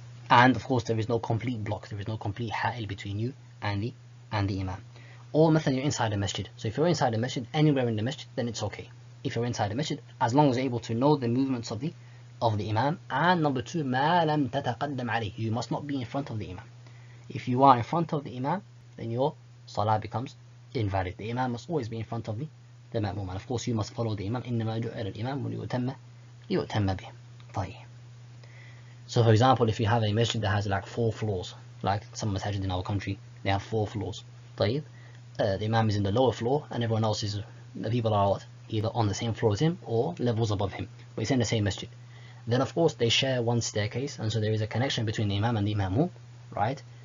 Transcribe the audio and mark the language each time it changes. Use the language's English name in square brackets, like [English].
[English] And of course, there is no complete block. There is no complete ha'il between you and the imam. Or مثلا, you're inside a masjid. So if you're inside a masjid, anywhere in the masjid, then it's okay. If you're inside a masjid, as long as you're able to know the movements of the imam. And number two, [Arabic] ما لم تتقدم عليه. [English] You must not be in front of the imam. If you are in front of the imam, then your salah becomes invalid. The imam must always be in front of the ma'mum. And of course, you must follow the imam. [Arabic] إنما جعل الإمام ليؤتم به. طيب. [English] So for example, if you have a masjid that has like four floors, like some masjid in our country, they have four floors. [Arabic] طيب. [English] The imam is in the lower floor and everyone else is, the people are either on the same floor as him or levels above him, but it's in the same masjid. Then of course they share one staircase, and so there is a connection between the imam and the ma'mum, right?